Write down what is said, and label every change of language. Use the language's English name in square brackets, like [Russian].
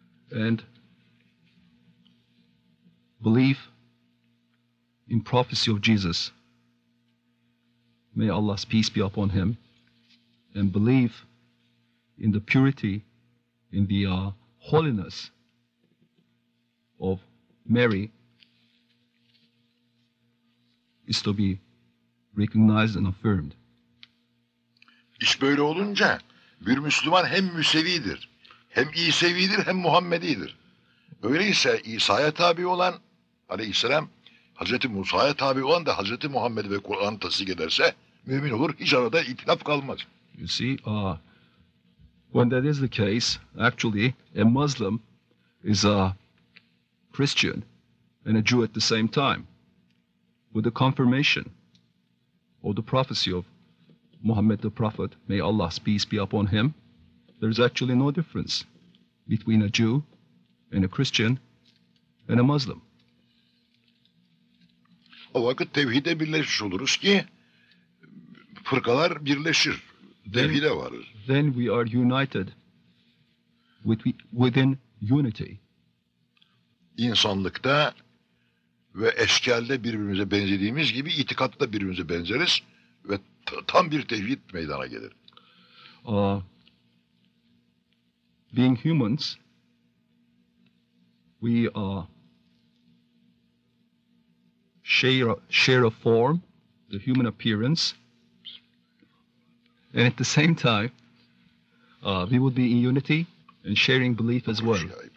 [English] And belief in prophecy of Jesus, may Allah's peace be upon him, and belief in the purity, in the holiness of Mary is to be recognized and affirmed. [Turkish] İş böyle olunca bir Müslüman hem Müsevidir, hem İsevidir, hem Muhammedidir. Öyleyse İsa'ya tabi olan Aleyhisselam, Hazreti Musa'ya tabi olan da Hazreti Muhammed ve Kur'an'ı tasdik ederse mümin olur, hiç arada itilaf kalmaz. [English] You see, when that is the case, actually a Muslim is a Christian and a Jew at the same time, with the confirmation or the prophecy of Muhammad the Prophet, may Allah's peace be upon him, there is actually no difference between a Jew and a Christian and a Muslim. [Turkish] O vakit tevhide birleşmiş oluruz ki fırkalar birleşir, tevhide varır. [English] Then we are united within unity. [Turkish] İnsanlıkta ve eşkelde birbirimize benzediğimiz gibi itikatta birbirimize benzeriz ve tam bir tevhid meydana gelir. [English] Being humans, we share a form, the human appearance, and at the same time, we would be in unity and sharing belief as well.